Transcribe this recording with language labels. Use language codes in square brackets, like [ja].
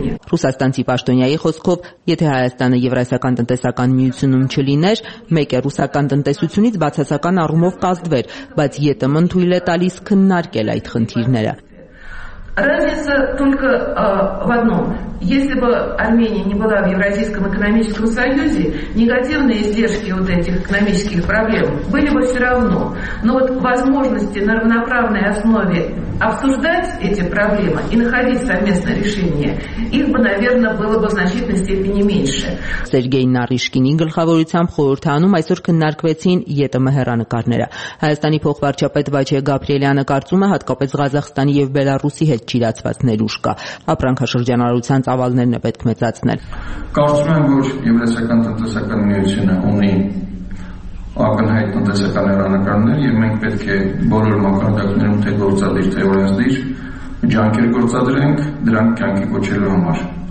[hy] Ռուսաստանի պաշտոնյայի խոսքով, եթե Հայաստանը Եվրասիական տնտեսական միությունում չլիներ, մեկ է ռուսական տնտեսությունից բացասական առումով կազդվեր, բայց ԵՏՄ-ն թույլ է տալիս քննարկել այդ խնդիրները։ [ru] Разница только в одном. Если бы Армения не была в Евразийском экономическом союзе, негативные издержки вот этих экономических проблем были бы все равно. Но вот возможности на равноправной основе обсуждать эти проблемы и находить совместное решение, их бы, наверное, было бы в значительной степени меньше. [hy] Сергей Нарышкинин, գլխավորությամբ խորհրդանում, այսօր քննարկվեցին ԵՏՄ հեռանկարները. Հայաստանի փոխվարչապետ Վաչե Գաբրիելյանը կարծում է, հատկապես Ղազախստանի և Բելարուսի հետ չիրացված ներուժ կա. Ապրանքաշրջանառության ծավալներն է պետք մեծացնել. Կարծում եմ, որ Եվրասիական տնտեսական միությունը ունի ակնհայտ տնտեսական հեռանկարներ, և մենք պետք է բոլոր մակարդակներում թե գործադիր, թե օրենսդիր ջանքեր գործադրենք դրանք կյանքի կոչելու համար։